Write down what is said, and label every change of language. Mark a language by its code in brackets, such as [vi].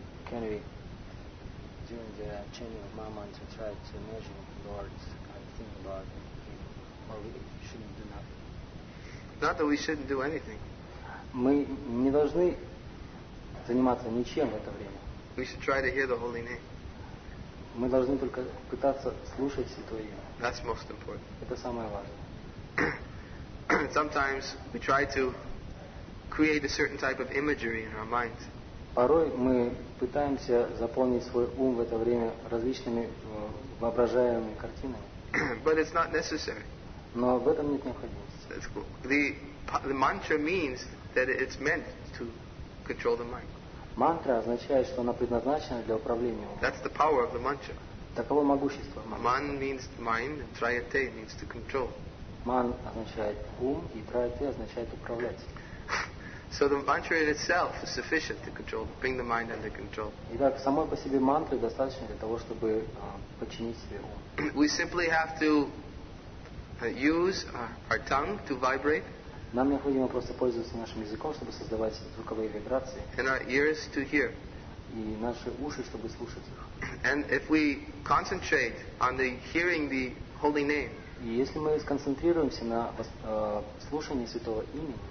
[en] Can we during the changing of moment to try to imagine words and think about it, or we shouldn't do nothing? Not that we shouldn't do anything. [ru] Мы не должны заниматься ничем в это время. [en] We should try to hear the holy name. [ru] Мы должны только пытаться слушать Святое Имя. [en] That's most important. [ru] Это самое важное. [en] Sometimes we try to create a certain type of imagery in our mind. [ru] Порой мы пытаемся заполнить свой ум в это время различными воображаемыми картинами. [en] But it's not necessary. [ru] Но в этом нет необходимости. [en] That's cool. The mantra means that it's meant to control the mind. [ru] Мантра означает, что она предназначена для управления умом. [en] That's the power of the mantra. [ru] Таково могущество мантры. [en] Man means mind, and trayate means to control. [ru] Ман означает ум, и трайте означает управлять. [en] So the mantra in itself is sufficient to control, bring the mind under control. [ru] Итак, самой по себе мантры достаточно для того, чтобы подчинить себе ум. [en] We simply have to use our tongue to vibrate. [ru] Нам необходимо просто пользоваться нашим языком, чтобы создавать звуковые вибрации. [en] And our ears to hear. [ru] И наши уши, чтобы слушать их. [en] And if we concentrate on the hearing the holy name. [ru] И если мы сконцентрируемся на слушании Святого Имени,